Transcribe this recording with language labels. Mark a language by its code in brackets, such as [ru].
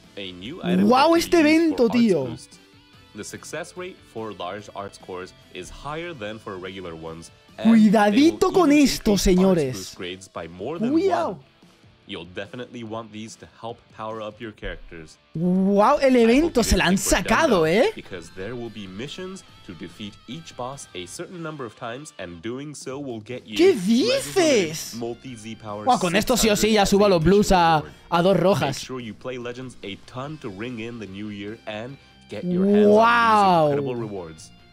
[es] wow, este evento, tío. [en] The success rate for large arts cores is higher than for regular ones. [es] Cuidadito con esto, señores. Cuidado. [en] You'll definitely want these to help power up your characters. [es] Wow, el evento se la han sacado, ¿eh? [en] Because there will be missions to defeat each boss a certain number of times and doing so will get you. [es] ¿Qué dices? [en] Multi-Z power. [es] Wow, con esto sí o sí ya subo a los blues a dos rojas. [en] Make sure you play Legends a ton to ring in the new year and get your hands on these incredible rewards.